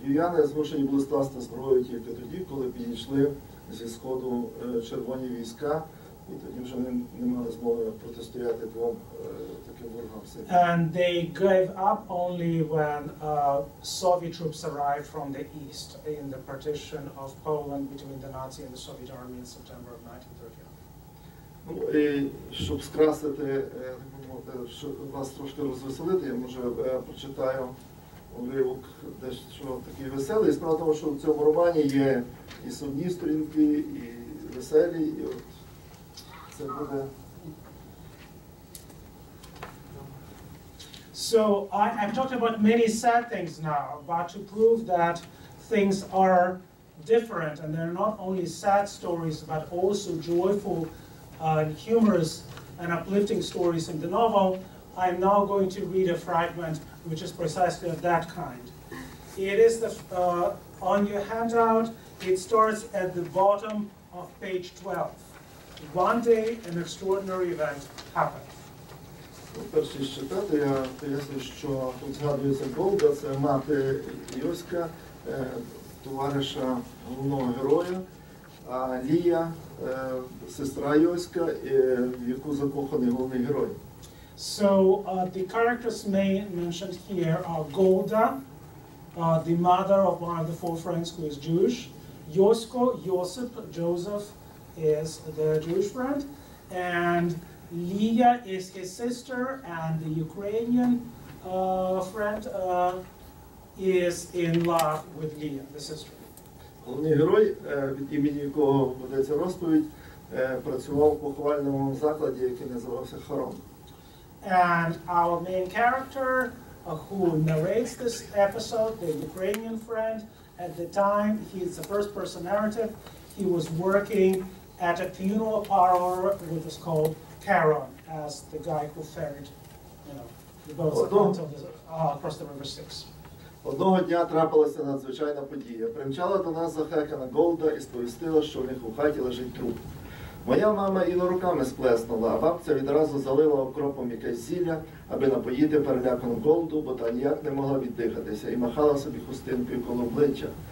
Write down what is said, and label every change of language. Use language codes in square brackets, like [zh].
[uk] Львів'яни змушені були скласти зброю тільки тоді, коли підійшли зі сходу червоні війська, і тоді вже вони не мали змоги протистояти двом таким ворогам. [en] And they gave up only when Soviet troops arrived from the east in the partition of Poland between the Nazi and the Soviet army in September of 1939. [uk] Ну, і щоб скрасити, щоб вас трошки розвеселити, я, може, прочитаю уривок дещо такий веселий. Справа того, що в цьому романі є і сумні сторінки, і веселі, і от це буде. [en] So, I'm talking about many sad things now, but to prove that things are different, and they're not only sad stories, but also joyful, and humorous and uplifting stories in the novel, I'm now going to read a fragment which is precisely of that kind. It is the on your handout, it starts at the bottom of page 12. One day, an extraordinary event happened. [uk] Перш ніж читати, я поясню, що тут згадується Болда, це мати Йоська, товариша головного героя. А Лія, сестра Йоська, в яку закоханий головний герой. [en] So, the characters mentioned here are Golda, the mother of one of the four friends who is Jewish, Йосько, Йосип, Joseph is the Jewish friend, and Лія is his sister, and the Ukrainian friend is in love with Лія, the sister. [uk] Головний герой, від імені якого ведеться розповідь, працював в поховальному закладі, який називався Хором. [en] And our main character, who narrates this episode, the Ukrainian friend, at the time, he is the first person narrative, he was working at a funeral parlor, which is called Charon, as the guy who ferried, the boat across the River Styx. [uk] Одного дня трапилася надзвичайна подія. Примчала до нас захекана Голда і сповістила, що в них у хаті лежить труп. Моя мама і на руками сплеснула, а бабця відразу залила окропом якесь зілля, аби напоїти перелякану Голду, бо та ніяк не могла віддихатися і махала собі хустинкою коло обличчя.